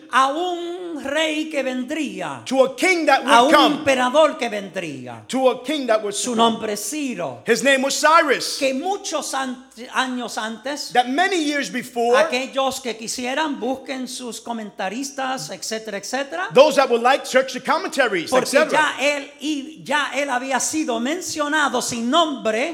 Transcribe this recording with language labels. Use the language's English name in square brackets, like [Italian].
[Spanish] A un rey que vendría. [English] To a king that would come. [Spanish] A un emperador que vendría. [English] To a king that would come. [Spanish] Su nombre es Ciro. [English] His name was Cyrus. [Spanish] Que muchos años antes. [English] That many years before. [Spanish] Aquellos que quisieran busquen sus comentaristas, etcétera, etcétera. [English] Those that would like search the commentaries, etc. [Spanish] Porque ya él había sido mencionado sin nombre.